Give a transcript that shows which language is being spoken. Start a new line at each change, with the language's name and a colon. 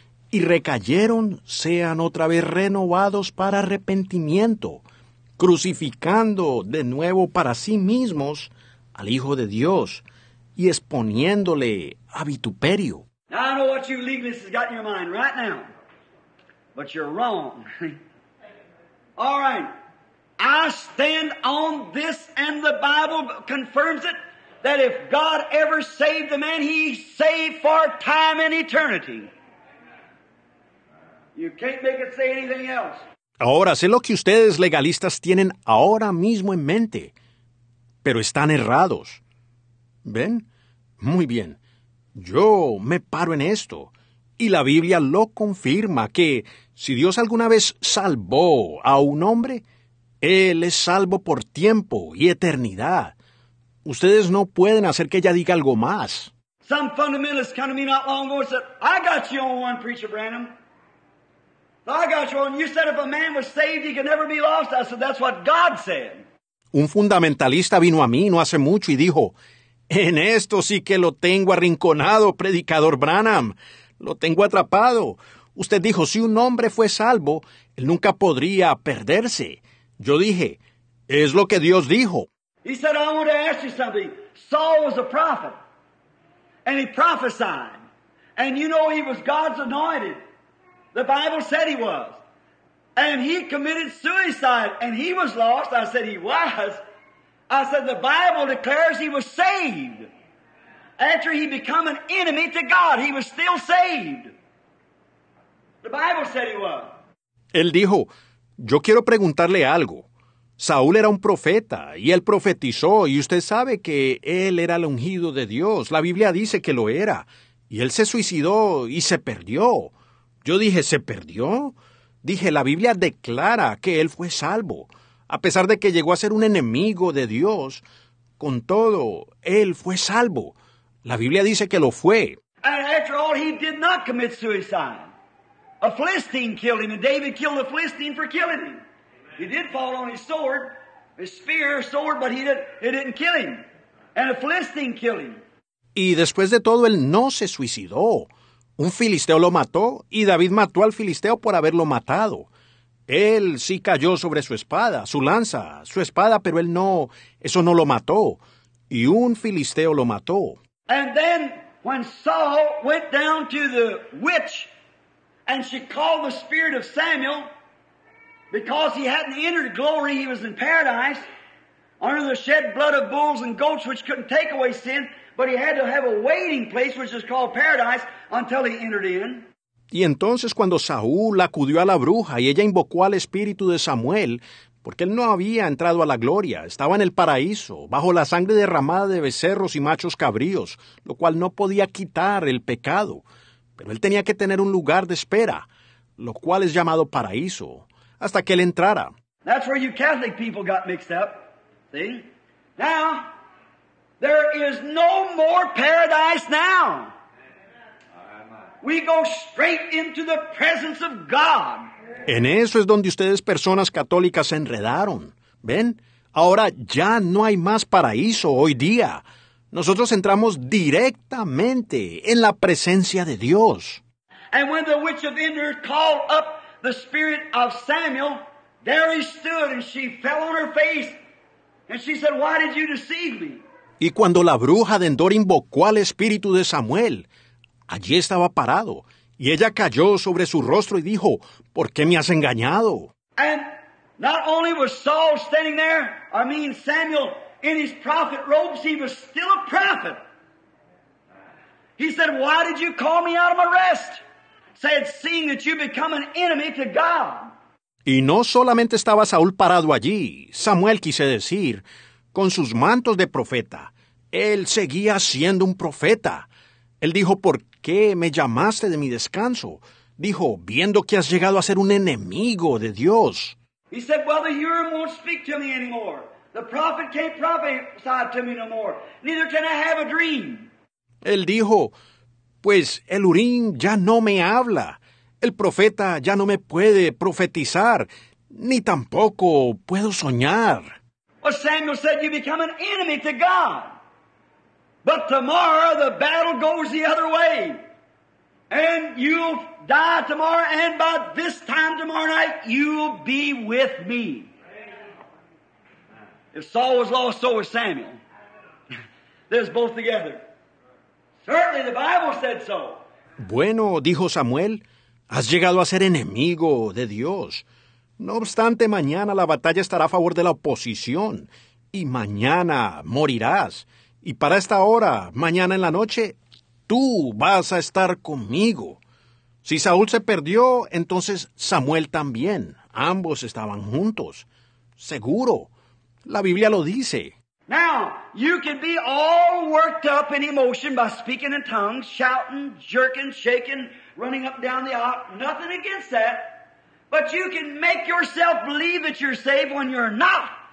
Spanish: y recayeron, sean otra vez renovados para arrepentimiento, crucificando de nuevo para sí mismos al Hijo de Dios y exponiéndole a vituperio.
English: Now I know what you legalists has got in your mind right now, but you're wrong. All right, I stand on this, and the Bible confirms it, that if God ever saved the man, he saved for time and eternity. You can't make it say anything else.
Spanish: Ahora, sé lo que ustedes legalistas tienen ahora mismo en mente, pero están errados. ¿Ven? Muy bien. Yo me paro en esto, y la Biblia lo confirma, que si Dios alguna vez salvó a un hombre, él es salvo por tiempo y eternidad. Ustedes no pueden hacer que ella diga algo más.
English: Some fundamentalist came to me not long ago and said, I got you on one, Preacher Branham. I got you on. You said if a man was saved, he could never be lost. I said, that's what God said.
Spanish: Un fundamentalista vino a mí no hace mucho y dijo, en esto sí que lo tengo arrinconado, predicador Branham. Lo tengo atrapado. Usted dijo, si un hombre fue salvo, él nunca podría perderse. Yo dije, es lo que Dios dijo.
English: He said, I want to ask you something. Saul was a prophet, and he prophesied. And you know he was God's anointed. The Bible said he was. And he committed suicide, and he was lost. I said, he was. I said, the Bible declares he was saved. After he became an enemy to God, he was still saved. The Bible said he was.
Spanish: Él dijo, yo quiero preguntarle algo. Saúl era un profeta, y él profetizó, y usted sabe que él era el ungido de Dios. La Biblia dice que lo era. Y él se suicidó y se perdió. Yo dije, ¿se perdió? Dije, la Biblia declara que él fue salvo. A pesar de que llegó a ser un enemigo de Dios, con todo, él fue salvo. La Biblia dice que lo fue.
English: And after all, he did not commit suicide. A Philistine killed him, and David killed a Philistine for killing him. He did fall on his sword, his spear, sword, but it didn't kill him. And a Philistine killed him.
Spanish: Y después de todo, él no se suicidó. Un filisteo lo mató, y David mató al filisteo por haberlo matado. Él sí cayó sobre su espada, su lanza, su espada, pero él no, eso no lo mató. Y un filisteo lo mató.
English: And then when Saul went down to the witch and she called the spirit of Samuel because he hadn't entered glory, he was in paradise under the shed blood of bulls and goats which couldn't take away sin, but he had to have a waiting place which is called paradise until he entered in.
Spanish: Y entonces cuando Saúl acudió a la bruja y ella invocó al espíritu de Samuel, porque él no había entrado a la gloria, estaba en el paraíso, bajo la sangre derramada de becerros y machos cabríos, lo cual no podía quitar el pecado, pero él tenía que tener un lugar de espera, lo cual es llamado paraíso, hasta que él entrara.
English: That's where you Catholic people got mixed up. See? Now, there is no more paradise now. We go straight into the presence of God.
Spanish: En eso es donde ustedes, personas católicas, se enredaron. ¿Ven? Ahora ya no hay más paraíso hoy día. Nosotros entramos directamente en la presencia de Dios.
English: And when the witch of Endor called up the spirit of Samuel, there he stood and she fell on her face. And she said, why did you deceive me?
Spanish: Y cuando la bruja de Endor invocó al espíritu de Samuel, allí estaba parado, y ella cayó sobre su rostro y dijo, ¿por qué me has engañado?
English: And not only was Saul standing there, I mean Samuel, in his prophet robes, he was still a prophet. He said, why did you call me out of my rest? Said, seeing that you become an enemy to God.
Spanish: Y no solamente estaba Saúl parado allí, Samuel quise decir, con sus mantos de profeta. Él seguía siendo un profeta. Él dijo, ¿por qué me llamaste de mi descanso? Dijo, viendo que has llegado a ser un enemigo de Dios.
English: He said, well, the Urim won't speak to me anymore. The prophet can't prophesy to me no more. Neither can I have a dream.
Spanish: Él dijo, pues el Urim ya no me habla. El profeta ya no me puede profetizar, ni tampoco puedo soñar.
English: Well, Samuel said, you become an enemy to God. But tomorrow the battle goes the other way. And you'll die tomorrow, and by this time tomorrow night, you'll be with me. If Saul was lost, so was Samuel. They're both together. Certainly the Bible said so.
Spanish: Bueno, dijo Samuel, has llegado a ser enemigo de Dios. No obstante, mañana la batalla estará a favor de la oposición, y mañana morirás. Y para esta hora, mañana en la noche, tú vas a estar conmigo. Si Saúl se perdió, entonces Samuel también. Ambos estaban juntos. Seguro. La Biblia lo dice.
English: Now, you can be all worked up in emotion by speaking in tongues, shouting, jerking, shaking, running up down the aisle. Nothing against that. But you can make yourself believe that you're saved when you're not.